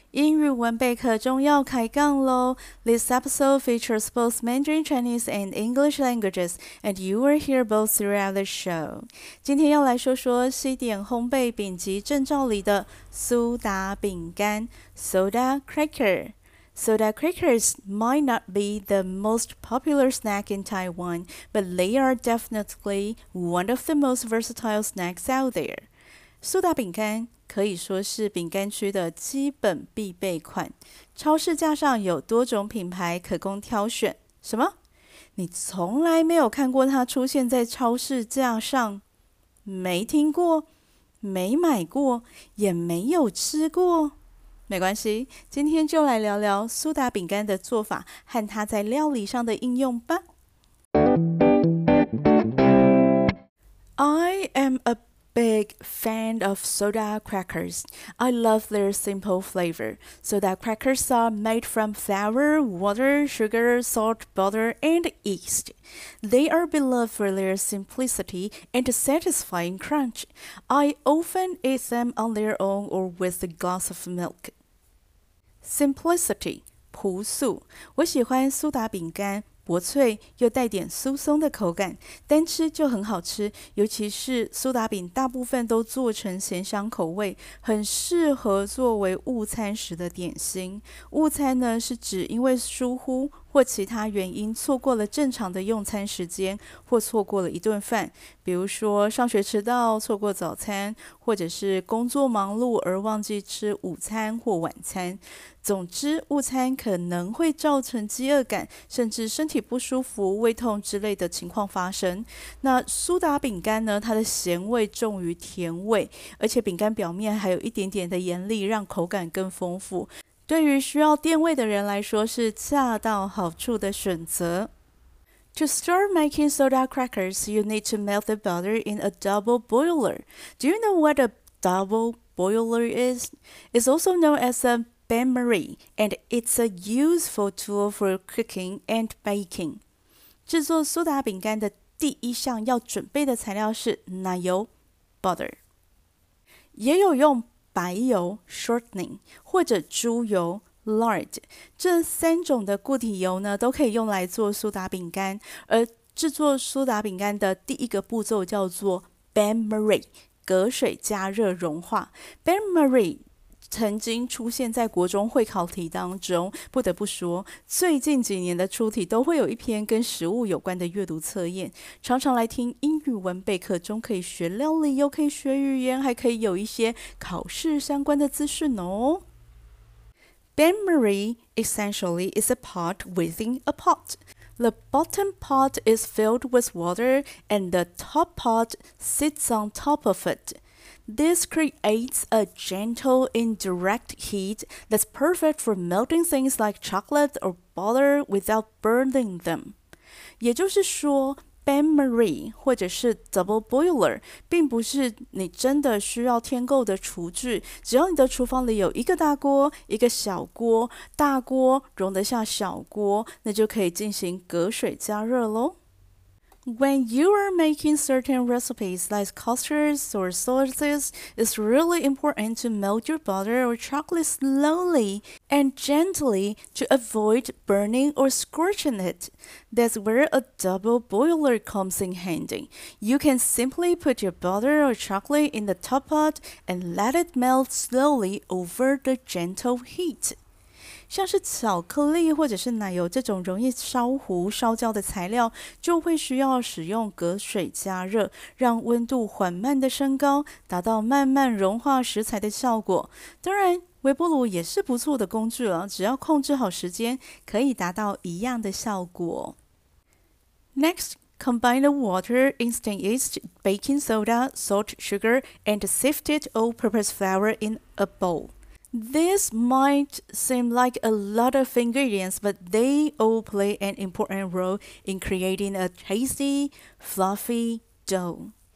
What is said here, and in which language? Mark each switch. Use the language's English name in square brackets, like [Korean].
[Chinese] 英语文备课终要开杠咯。 [English] This episode features both Mandarin Chinese and English languages, and you will hear both throughout the show. [Chinese] 今天要来说说西点烘焙丙级证照里的苏打饼干 ,Soda Cracker。 [English] Soda crackers might not be the most popular snack in Taiwan, but they are definitely one of the most versatile snacks out there. [Chinese] 苏打饼干可以说是饼干区的基本必备款，超市架上有多种品牌可供挑选。什么？你从来没有看过它出现在超市架上？没听过？没买过？也没有吃过？没关系，今天就来聊聊苏打饼干的做法和它在料理上的应用吧。 [English] I am a big fan of soda crackers. I love their simple flavor. Soda crackers are made from flour, water, sugar, salt, butter, and yeast. They are beloved for their simplicity and satisfying crunch. I often eat them on their own or with a glass of milk. [Chinese] Simplicity, 朴素。我喜欢苏打饼干，薄脆又带点酥松的口感，单吃就很好吃。尤其是苏打饼大部分都做成咸香口味，很适合作为午餐时的点心。午餐呢，是指因为疏忽或其他原因错过了正常的用餐时间，或错过了一顿饭，比如说上学迟到错过早餐，或者是工作忙碌而忘记吃午餐或晚餐。总之，午餐可能会造成饥饿感，甚至身体不舒服、胃痛之类的情况发生。那苏打饼干呢？它的咸味重于甜味，而且饼干表面还有一点点的盐粒，让口感更丰富。对于需要垫胃的人来说是恰到好处的选择。 [English] To start making soda crackers, you need to melt the butter in a double boiler. Do you know what a double boiler is? It's also known as a bain-marie, and it's a useful tool for cooking and baking. [Chinese] 制作苏打饼干的第一项要准备的材料是奶油 butter。也有用白油 shortening 或者猪油 lard 这三种的固体油呢，都可以用来做苏打饼干。而制作苏打饼干的第一个步骤叫做 bain-marie， 隔水加热融化。 bain-marie 曾经出现在国中会考题当中，不得不说，最近几年的出题都会有一篇跟食物有关的阅读测验，常常来听英语文备课中可以学料理，又可以学语言，还可以有一些考试相关的资讯哦。 [English] Bain-marie essentially is a pot within a pot. The bottom pot is filled with water, and the top pot sits on top of it. This creates a gentle indirect heat that's perfect for melting things like chocolate or butter without burning them. [Chinese] 也就是说 bain-marie 或者是 double boiler 并不是你真的需要添购的厨具，只要你的厨房里有一个大锅、一个小锅，大锅容得下小锅，那就可以进行隔水加热咯。 [English] When you are making certain recipes like custards or sauces, it's really important to melt your butter or chocolate slowly and gently to avoid burning or scorching it. That's where a double boiler comes in handy. You can simply put your butter or chocolate in the top pot and let it melt slowly over the gentle heat. [Chinese] 像是巧克力或者是奶油这种容易烧糊烧焦的材料，就会需要使用隔水加热，让温度缓慢的升高，达到慢慢融化食材的效果。当然，微波炉也是不错的工具了，只要控制好时间，可以达到一样的效果。 [English] Next, combine the water, instant yeast, baking soda, salt, sugar, and sifted all-purpose flour in a bowl. This might seem like a lot of ingredients, but they all play an important role in creating a tasty, fluffy dough.